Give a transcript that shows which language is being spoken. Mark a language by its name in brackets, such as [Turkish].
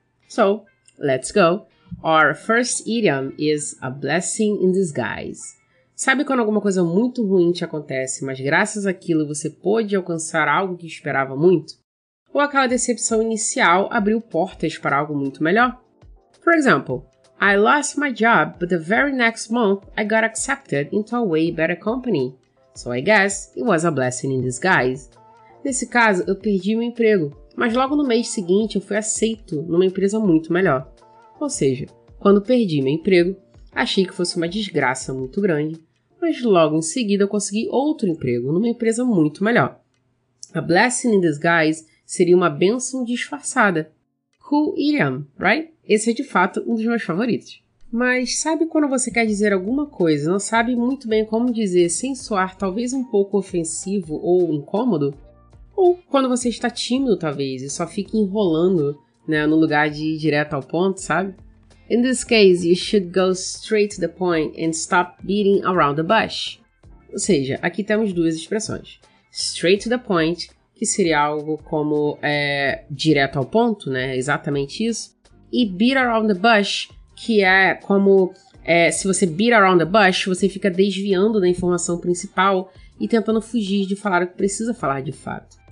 [English] So, let's go! Our first idiom is a blessing in disguise. [Portuguese] Sabe quando alguma coisa muito ruim te acontece, mas graças àquilo você pôde alcançar algo que esperava muito? Ou aquela decepção inicial abriu portas para algo muito melhor? [English] For example, I lost my job, but the very next month I got accepted into a way better company. So I guess it was a blessing in disguise. [Portuguese] Nesse caso, eu perdi meu emprego, mas logo no mês seguinte eu fui aceito numa empresa muito melhor. Ou seja, quando perdi meu emprego, achei que fosse uma desgraça muito grande, mas logo em seguida eu consegui outro emprego numa empresa muito melhor. [English] A blessing in disguise [Portuguese] seria uma bênção disfarçada. [English] Cool idiom, right? [Portuguese] Esse é de fato um dos meus favoritos. Mas sabe quando você quer dizer alguma coisa e não sabe muito bem como dizer sem soar talvez um pouco ofensivo ou incômodo? Ou quando você está tímido talvez e só fica enrolando, né, no lugar de ir direto ao ponto, sabe? [English] In this case, you should go straight to the point and stop beating around the bush. [Portuguese] Ou seja, aqui temos duas expressões. [English] Straight to the point, [Portuguese] que seria algo como direto ao ponto, né? Exatamente isso. E [English] beat around the bush, [Portuguese] que é como se você beat around the bush, você fica desviando da informação principal e tentando fugir de falar o que precisa falar de fato.